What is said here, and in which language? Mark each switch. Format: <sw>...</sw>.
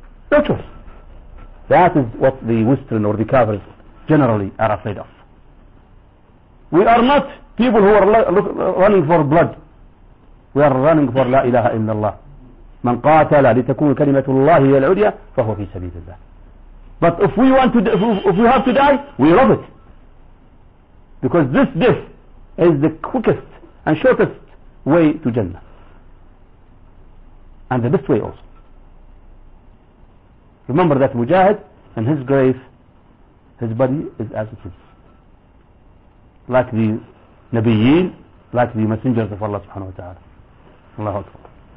<en>No choice. That is what the Western or the Kafirs generally are afraid of. We are not people who are running for blood. We are running for la ilaha illallah.</en> <ar>من قاتل لتكون كلمة الله هي العليا فهو في سبيل الله.</ar> <en>But if we want to, if we have to die, we love it, because this death is the quickest and shortest way to Jannah, and the best way also. Remember that Mujahid, in his grave, his body is as it is, like the Nabiyeen, like the messengers of Allah subhanahu wa ta'ala. Allahu Akbar.</en>